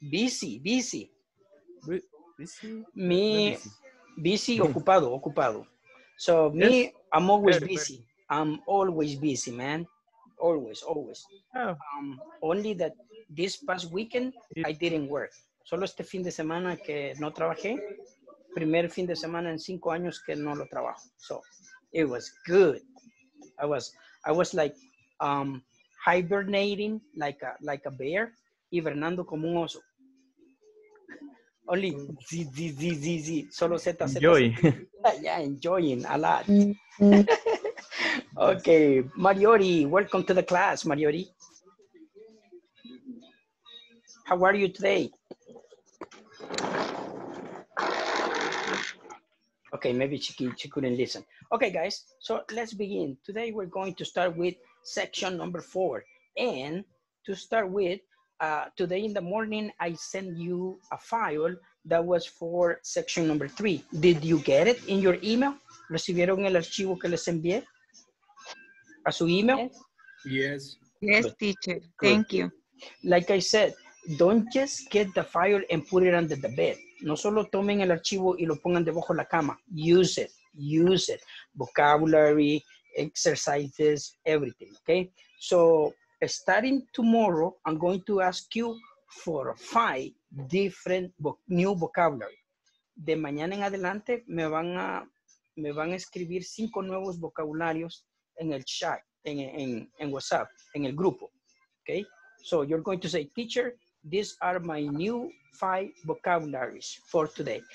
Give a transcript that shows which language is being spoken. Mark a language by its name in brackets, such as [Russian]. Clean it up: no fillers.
[English] Busy. Busy? Me, busy, [Spanish] ocupado, ocupado. [English] So yes. Me, I'm always busy. I'm always busy, man. Always. Oh. Only that this past weekend, I didn't work. [Spanish] Solo este fin de semana que no trabajé. Primer fin de semana en 5 años que no lo trabajo. [English] So, it was good. I was like hibernating like a bear, [Spanish] hibernando como un oso. [English] Only z, [Spanish] solo z. [English] Enjoy. Yeah, enjoying a lot. Okay, Mariori, welcome to the class, Mariori. How are you today? Okay, maybe she couldn't listen. Okay, guys, so let's begin. Today we're going to start with section number 4. And to start with, today in the morning, I sent you a file that was for section number 3. Did you get it in your email? [Spanish] ¿Recibieron el archivo que les envié a su email? [English] Yes. Yes, teacher. Good. Thank you. Like I said, don't just get the file and put it under the bed. [Spanish] No solo tomen el archivo y lo pongan debajo de la cama. [English] Use it. Vocabulary, exercises, everything, okay? So, starting tomorrow, I'm going to ask you for 5 different new vocabulary. [Spanish] De mañana en adelante, me van a escribir 5 nuevos vocabularios en el chat, en WhatsApp, en el grupo, okay? [English] So, you're going to say, teacher, these are my new 5 vocabularies for today.